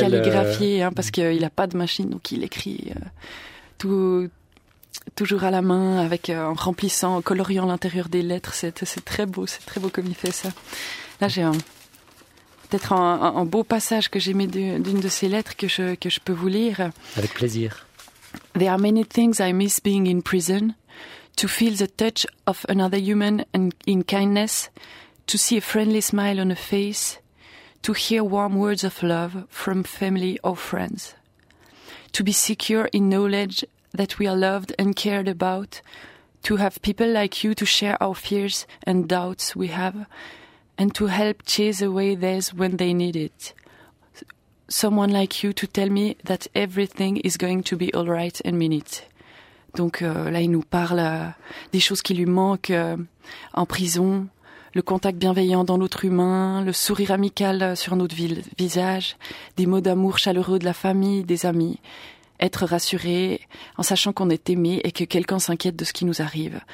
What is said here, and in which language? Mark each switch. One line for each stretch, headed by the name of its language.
French: Calligraphié, parce qu'il n'a pas de machine, donc il écrit toujours à la main, en remplissant, en coloriant l'intérieur des lettres. C'est très beau, c'est très beau comme il fait ça. Là, j'ai peut-être un beau passage que j'aimais d'une de ses lettres que je peux vous lire. Avec plaisir.
English: There are many things I miss being in prison. To feel the touch of another human and in kindness. To see a friendly smile on a face. To hear warm words of love from family or friends. To be secure in knowledge that we are loved and cared about. To have people like you to share our fears and doubts we have. And to help chase away theirs when they need it. Someone like you to tell me that everything is going to be all right and mean it.
French: Donc là, il nous parle des choses qui lui manquent en prison. Le contact bienveillant dans l'autre humain, le sourire amical sur notre visage, des mots d'amour chaleureux de la famille, des amis. Être rassuré en sachant qu'on est aimé et que quelqu'un s'inquiète de ce qui nous arrive.